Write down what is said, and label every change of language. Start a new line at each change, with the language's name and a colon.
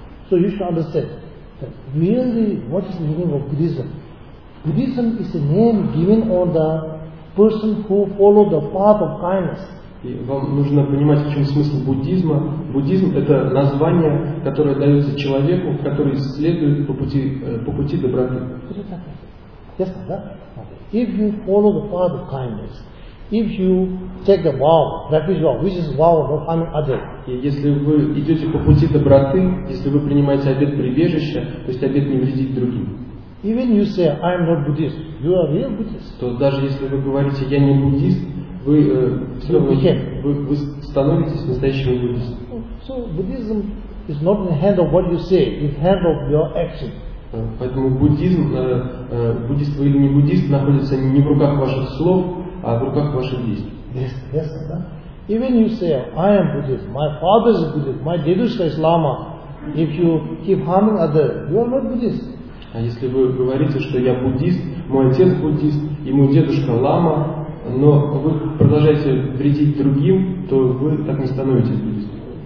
English: So you should understand that really what is the meaning of Buddhism? Buddhism is a name given on the person who follows the path of kindness.
Russian: И вам нужно понимать, в чем смысл буддизма. Буддизм – это название, которое дается человеку, который следует по пути доброты.
English: Yes,
Russian: да?
English: If you follow the path of kindness, if you take the vow, that is vow, which is vow of harming others.
Russian: И если вы идете по пути доброты, если вы принимаете обет прибежища, то есть обет не вредить другим.
English: Even you say, I am not Buddhist, you are real Buddhist.
Russian: То даже если вы говорите, я не буддист, Вы становитесь настоящим буддистом.
English: So Buddhism is not in the hand of what you say, it's in the hand of your action.
Russian: Поэтому буддизм, буддист вы или не буддист, находится не в руках ваших слов, а в руках ваших действий.
English: Yes, yes,
Russian: да?
English: Even you say, I am Buddhist, my father is Buddhist, my Dedushka is Lama. If you keep harming others, you are not Buddhist.
Russian: А если вы говорите, что я буддист, мой отец буддист, и мой дедушка Лама, но вы продолжаете вредить другим, то вы так не становитесь буддистом.